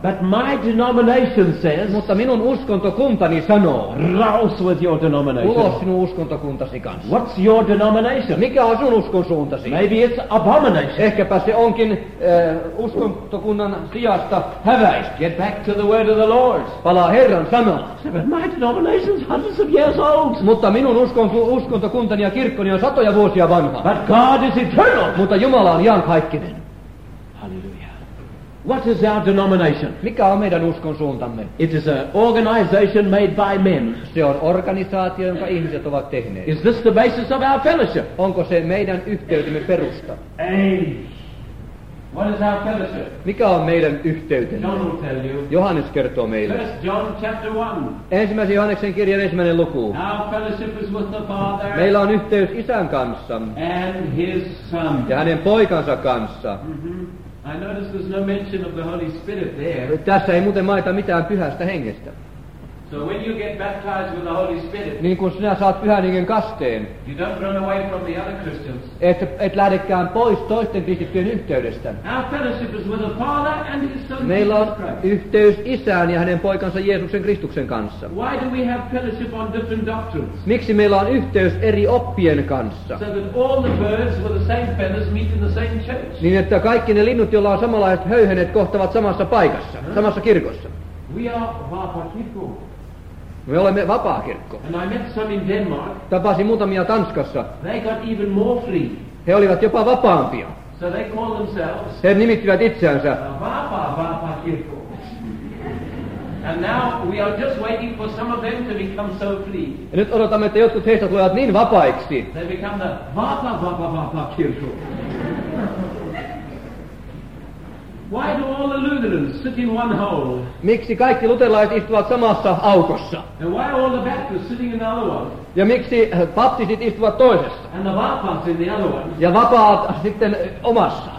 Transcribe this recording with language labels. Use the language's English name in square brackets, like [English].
[English] But my denomination says. [Finnish] Mutta minun uskontokuntani sanoo. [English] Raus with your denomination. [Finnish] Ulos sinun uskontokuntasi kanssa. [English] What's your denomination? [Finnish] Mikä on sinun uskonsuuntasi? [English] Maybe it's abomination. [Finnish] Ehkäpä se onkin uskontokunnan sijasta häväistä. [English] Get back to the word of the Lord. [Finnish] Palaa Herran sanaa. [English] But my denomination is hundreds of years old. [Finnish] Mutta minun uskontokuntani ja kirkkoni on satoja vuosia vanha. [English] But God is eternal. [Finnish] Mutta Jumala on iankaikkinen. [English] Hallelujah. What is our denomination? [Finnish] Mikä on meidän uskonsuuntamme? [English] It is an organization made by men. [Finnish] Se on organisaatio, jonka ihmiset ovat tehneet. [English] Is this the basis of our fellowship? [Finnish] Onko se meidän yhteytemme perusta? Ei. [English] What is our fellowship? [Finnish] Mikä on meidän yhteytemme? [English] John will tell you. [Finnish] Johannes kertoo meille. [English] First John chapter 1. [Finnish] Ensimmäisen Johanneksen kirjan ensimmäinen luku. [English] Our fellowship is with the Father. [Finnish] Meillä on yhteys Isän kanssa. [English] And his son. [Finnish] Ja hänen poikansa kanssa. [English] Mm-hmm. I notice there's no mention of the Holy Spirit there. [Finnish] Tässä ei muuten mainita mitään pyhästä hengestä. [English] So when you get baptized with the Holy Spirit, [Finnish] niin kun sinä saat Pyhän Hengen kasteen, [English] you don't run away from the other Christians. [Finnish] Et lähdekään pois toisten kristittyjen yhteydestä. [English] Our fellowship is with the Father and His Son. [Finnish] Meillä on yhteys Isään ja hänen poikansa Jeesuksen Kristuksen kanssa. [English] Why do we have fellowship on different doctrines? [Finnish] Miksi meillä on yhteys eri oppien kanssa? [English] So that all the birds with the same feathers meet in the same church. [Finnish] Niin että kaikki ne linnut, joilla on samanlaiset höyhenet, kohtavat samassa paikassa, uh-huh. samassa kirkossa. [English] We are vapaa-kirkko. [Finnish] Me olemme vapaa kirkko. [English] And I met some in Denmark. [Finnish] Tapasin muutamia Tanskassa. [English] They got even more free. [Finnish] He olivat jopa vapaampia. [English] So they call themselves. [Finnish] He nimittivät itseänsä. [English] Vapaa kirkko. And now we are just waiting for some of them to become so free. [Finnish] Ja nyt odotamme, että jotkut heistä tulevat niin vapaiksi. [English] They become the vapaa kirkko. [Finnish] Why do all the Lutherans sit in one hole? [English] Miksi kaikki luterilaiset istuvat samassa aukossa? [Finnish] And why are all the Baptists sitting in the other one? [English] Ja miksi baptistit istuvat toisessa? [Finnish] And the vapaat in the other one? Ja vapaat sitten omassa.